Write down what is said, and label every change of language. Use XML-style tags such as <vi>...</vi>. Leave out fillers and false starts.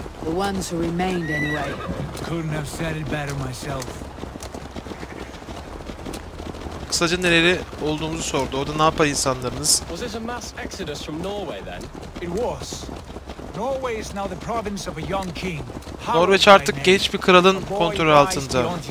<en>The ones who remained anyway. Couldn't have said it better myself.</en> <tr>Kısaca nereli olduğumuzu sordu. Orada ne yapar insanlarınız?</tr> <en>Was this a mass exodus from Norway then? It was. Norway is now the province of a young king.</en> <tr>Norveç artık genç bir kralın kontrolü altında.</tr>